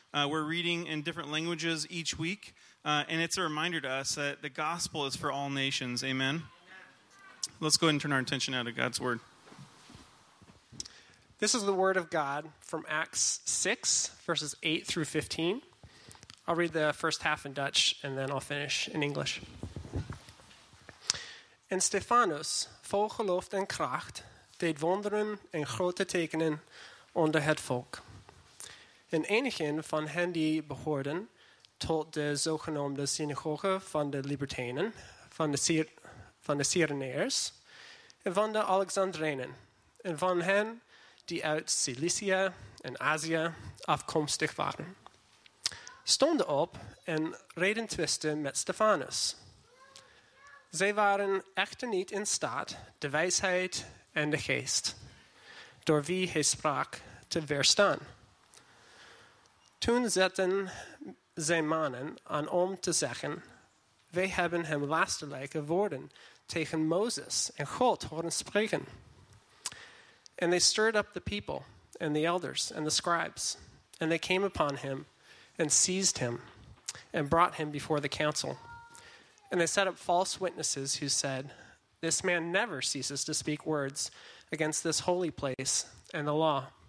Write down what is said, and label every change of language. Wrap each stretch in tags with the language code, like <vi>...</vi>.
<en>We're reading in different languages each week. And it's a reminder to us that the gospel is for all nations. Amen. Let's go ahead and turn our attention now to God's Word. This is the Word of God from Acts 6, verses 8 through 15. I'll read the first half in Dutch, and then I'll finish in English.</en> <nl>En Stephanus, vol geloof en kracht, deed wonderen en grote tekenen onder het volk. En enigen van hen die behoorden tot de zogenoemde synagoge van de Libertijnen, van de Cyreneërs en van de Alexandrenen, en van hen die uit Cilicia en Azië afkomstig waren, stonden op en reden twisten met Stephanus. Zij waren echter niet in staat de wijsheid en de geest, door wie hij sprak, te weerstaan. Toen zetten zij mannen aan om te zeggen, wij hebben hem lasterlijke woorden tegen Mozes en God horen spreken.</nl> <en>En they stirred up the people and the elders and the scribes, and they came upon him and seized him and brought him before the council. And they set up false witnesses who said, this man never ceases to speak words against this holy place and the law.</en>